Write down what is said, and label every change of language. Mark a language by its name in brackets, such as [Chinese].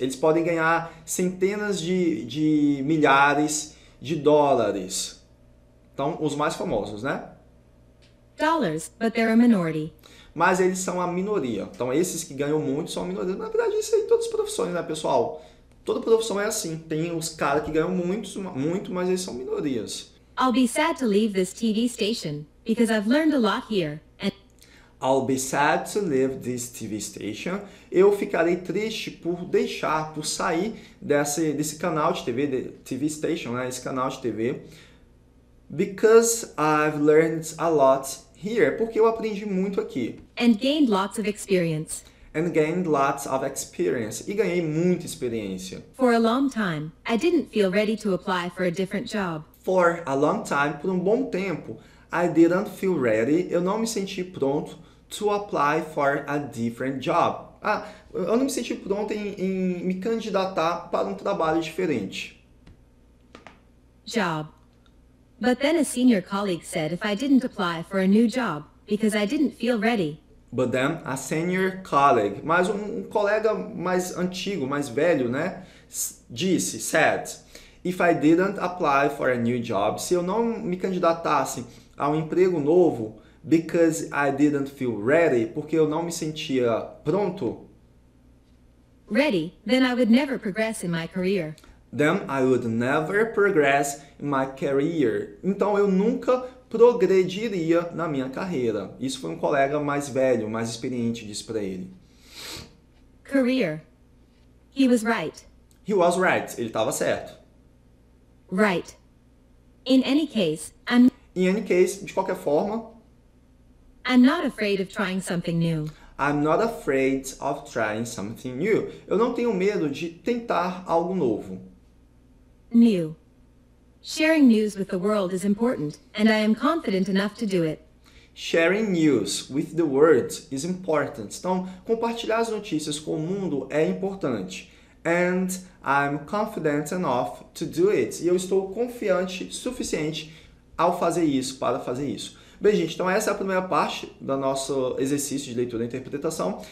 [Portuguese] Eles podem ganhar centenas de milhares de dólares. Então, os mais famosos, né? [English] Dollars, but they're a minority. [Portuguese] Mas eles são a minoria. Então, esses que ganham muito são a minoria. Na verdade, isso aí em todas as profissões, né, pessoal? Toda profissão é assim. Tem os caras que ganham muito, muito, mas eles são minorias. [English] I'll be sad to leave this TV station, because I've learned a lot here. I'll be sad to leave this TV station. [Portuguese] Eu ficarei triste por deixar, por sair desse canal de TV, TV station, né, esse canal de TV. [English] Because I've learned a lot here. [Portuguese] Porque eu aprendi muito aqui. [English] And gained lots of experience. And gained lots of experience. [Portuguese] E ganhei muita experiência. [English] For a long time, I didn't feel ready to apply for a different job. For a long time, [Portuguese] por um bom tempo, [English] I didn't feel ready, [Portuguese] eu não me senti pronto [English] to apply for a different job. [Portuguese] Eu não me senti pronto em me candidatar para um trabalho diferente. [English] Job. But then a senior colleague said if I didn't apply for a new job, because I didn't feel ready. But then a senior colleague, [Portuguese] mas um colega mais antigo, mais velho, né, disse, [English] said, if I didn't apply for a new job, [Portuguese] se eu não me candidatasse a um emprego novo, [English] because I didn't feel ready, [Portuguese] porque eu não me sentia pronto. [English] Ready, then I would never progress in my career. Then I would never progress in my career. [Portuguese] Então, eu nunca progrediria na minha carreira. Isso foi um colega mais velho, mais experiente, disse pra ele. [English] Career. He was right. He was right. [Portuguese] Ele estava certo. [English] Right. In any case, I'm... In any case, [Portuguese] de qualquer forma... [English] I'm not afraid of trying something new. I'm not afraid of trying something new. [Portuguese] Eu não tenho medo de tentar algo novo. [English] New. Sharing news with the world is important, and I am confident enough to do it. Sharing news with the world is important. [Portuguese] Então, compartilhar as notícias com o mundo é importante. [English] And I'm confident enough to do it. [Portuguese] E eu estou confiante suficiente ao fazer isso, para fazer isso. Bem, gente, então essa é a primeira parte do nosso exercício de leitura e interpretação.